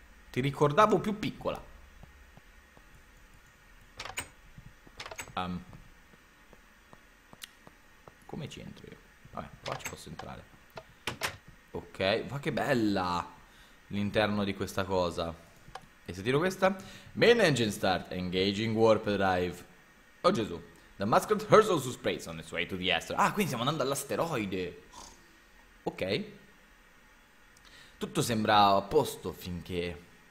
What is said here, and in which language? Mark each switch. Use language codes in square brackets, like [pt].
[it] Ti ricordavo più piccola. Come ci entro io? Vabbè, qua ci posso entrare. Ok, ma che bella l'interno di questa cosa. E se tiro questa? [en] Main engine start, engaging warp drive. [it] Oh Gesù. [en] The Muskrat hurtles to space on its way to the asteroid. [it] Ah, quindi stiamo andando all'asteroide. Ok. Tutto sembra a posto finché...